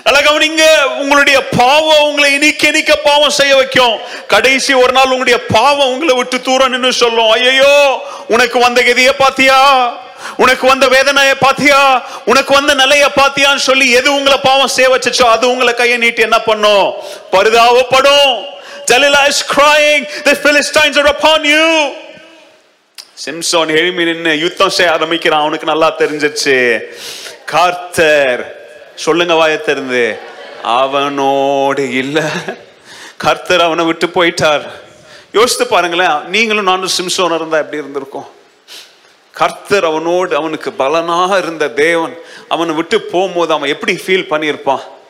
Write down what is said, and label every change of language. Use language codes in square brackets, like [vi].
[ta] உங்களுடைய பாவம் உங்களை இனிக்க இனிக்க பாவம் செய்ய வைக்கும், கடைசி ஒரு நாள் உங்களுடைய பாவம் உங்களை விட்டு தூரன்னு சொல்லும். ஐயோ, உனக்கு வந்த கதியை பாத்தியா, உனக்கு வந்த வேதனைய பாத்தியா, உனக்கு வந்த நிலைய பாத்தியான்னு சொல்லி எது உங்களை பாவம் செய்ய வச்சோ அது உங்களை கையை நீட்டி என்ன பண்ணும், பரிதாபப்படும். [en] Delilah is crying, the Philistines are upon you. [ta] Simpson எழுமி நின்று யுத்தம் செய்ய ஆரம்பிக்கிறான், அவனுக்கு நல்லா தெரிஞ்சிருச்சு, கர்த்தர், சொல்லுங்க வாயை திறந்து, அவனோடு இல்ல, கர்த்தர் அவனை விட்டு போயிட்டார். யோசித்து பாருங்களேன், நீங்களும் நானும் சிம்சோன் இருந்தா எப்படி இருந்திருக்கும், கர்த்தர் அவனோடு, அவனுக்கு பலனாக இருந்த தேவன் அவனை விட்டு போகும்போது அவன் எப்படி ஃபீல் பண்ணியிருப்பான்.